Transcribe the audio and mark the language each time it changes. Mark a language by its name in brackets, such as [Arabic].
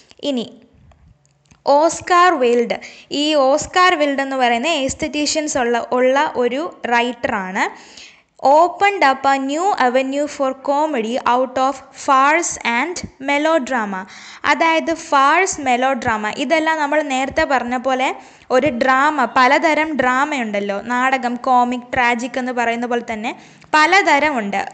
[Malayalam] ഇനി Oscar willed എന്ന് പറയുന്ന എസ്തെറ്റീഷ്യൻസ് ഉള്ള ഒരു റൈറ്ററാണ്. [English] Opened up a new avenue for comedy out of farce and melodrama. [Malayalam] അതായത് ഫാഴ്സ്, മെലോഡ്രാമ, ഇതെല്ലാം നമ്മൾ നേരത്തെ പറഞ്ഞ പോലെ ഒരു ഡ്രാമ, പലതരം ഡ്രാമയുണ്ടല്ലോ, നാടകം, കോമിക്, ട്രാജിക് എന്ന് പറയുന്ന പോലെ തന്നെ പലതരമുണ്ട്.